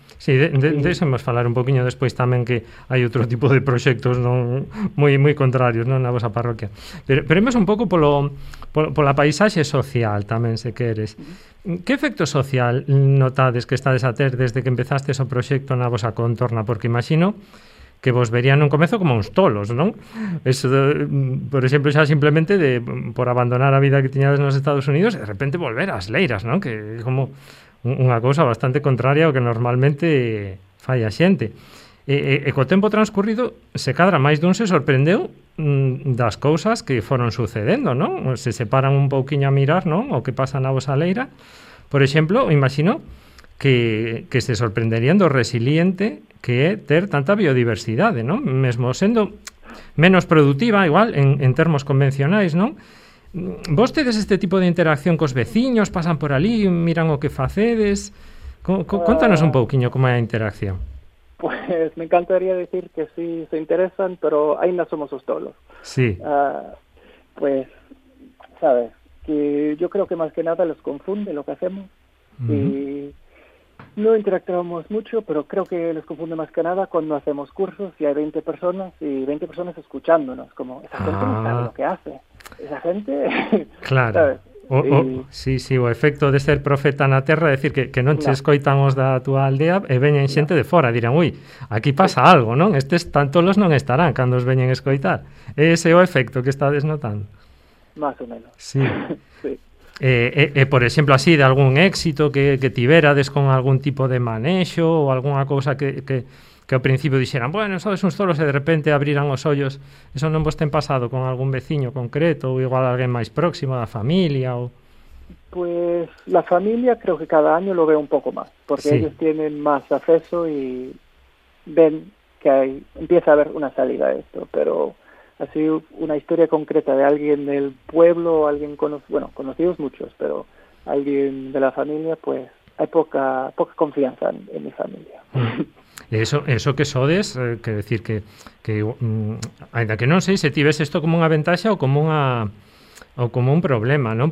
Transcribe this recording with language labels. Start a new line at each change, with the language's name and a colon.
Spanish: Sí, de eso vamos a hablar un poquillo después también, que hay otro tipo de proyectos, ¿no? Muy, muy contrarios, ¿no? En la vosa parroquia. Pero vamos un poco por la paisaje social también, si quieres.
Galician: ¿Qué efecto social notades que estades a ter desde que empezaste ese proyecto en la vosa contorna? Porque imagino que vos verían un comezo como uns tolos, non? Por exemplo, xa simplemente por abandonar a vida que tiñades nos Estados Unidos e de repente volver ás leiras, non? Que é como unha cousa bastante contraria ao que normalmente Fai a xente. E co tempo transcurrido, se cadra, máis dun se sorprendeu das cousas que foron sucedendo, non? Se separan un pouquiño a mirar, non? O que pasa na vosa leira. Por exemplo, imagino que se sorprenderían do resiliente que é ter tanta biodiversidade, non? Mesmo sendo menos productiva, igual, en termos convencionais, non? Vos tedes este tipo de interacción cos veciños, pasan por ali, miran o que facedes. Contanos un pouquiño como é a interacción.
Spanish: Pues me encantaría decir que sí se interesan, pero
Galician: ainda somos os tolos.
Spanish: Sí. Pues, sabes, que yo creo que más que nada los confunde lo que hacemos. Uh-huh. Y no interactuamos mucho, pero creo que los confunde más que nada cuando hacemos cursos y hay 20 personas y 20 personas escuchándonos. Como, esa gente no sabe lo que hace. Esa gente... Claro. ¿Sabes?
Galician: O efecto de ser profeta na terra, decir que non che escoitan os da túa aldea e veñen xente de fora, dirán, ui, aquí pasa algo, non? Estes tantos los non estarán cando os veñen escoitar. Ese é o efecto que está desnotando. Más ou menos.
Spanish: Sí. Sí.
Galician: Por exemplo, así, de algún éxito que tiberades con algún tipo de manexo ou alguna cousa que ao principio dixeran, bueno, sabes, uns tolos e de repente abriran os ollos, eso non vos ten pasado con algún veciño concreto ou igual alguén máis próximo da familia?
Spanish: Pues la familia creo que cada año lo veo un poco más, porque ellos tienen más acceso y ven que empieza a haber una salida a esto, pero así una historia concreta de alguien del pueblo, alguien conocidos muchos, pero alguien de la familia, pues hay poca confianza en mi familia.
Galician: Eso que sodes, quer decir ainda que non sei se ti ves isto como unha ventaxa ou como un problema, non?